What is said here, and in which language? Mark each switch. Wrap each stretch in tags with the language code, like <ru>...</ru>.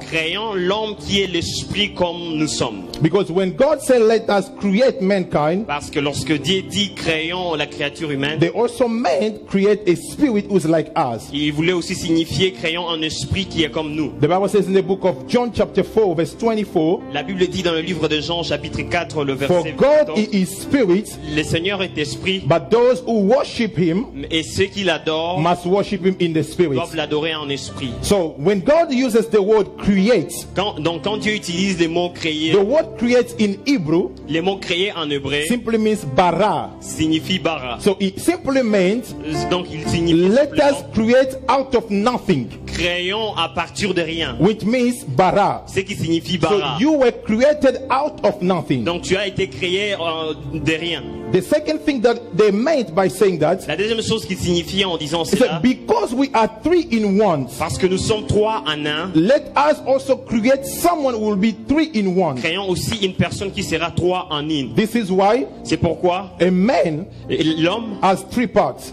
<fr>Créons l'homme qui est l'esprit comme nous sommes.</fr> <en>Because when God said let us create mankind,</en> <fr>parce que lorsque Dieu dit créons la créature humaine,</fr> <en>they also meant create a spirit who is like us.</en> <fr>Il voulait aussi signifier créons un esprit qui est comme nous.</fr> <en>The Bible says in the book of John chapter 4 verse 24,</en> <fr>la Bible dit dans le livre de Jean chapitre 4 le verset</fr> <en>24, for God is spirit,</en> <fr>le Seigneur est esprit,</fr> <en>but those who worship him,</en> <fr>et ceux qui l'adorent,</fr> <en>must worship him in the spirit.</en> <fr>Doivent l'adorer en esprit.</fr> <en>So when God uses the word create,</en> <fr>quand Dieu utilise le mot créer,</fr> <en>the word create in Hebrew,</en> <fr>le mot créer en hébreu,</fr> <en>simply means bara,</en> <fr>signifie bara.</fr> <en>So it simply means,</en> <fr>donc il signifie</fr> <en>let us create out of nothing.</en> <fr>créons à partir de rien.</fr> <en>Which means bara.</en> <fr>Ce qui signifie bara.</fr> <en>So you were created out of nothing.</en> <fr>Donc tu as été créé de rien.</fr> <en>The second thing that they meant by saying that.</en> <fr>La deuxième chose qui signifie en disant cela.</fr> <en>Because we are three in one.</en> <fr>Parce que nous sommes trois en un.</fr> <en>Let us also create someone who will be three in one.</en> <fr>Créons aussi une personne qui sera trois en une.</fr> <en>This is why.</en> <fr>C'est pourquoi.</fr> <en>A man.</en> <fr>L'homme.</fr> <en>Has three parts.</en>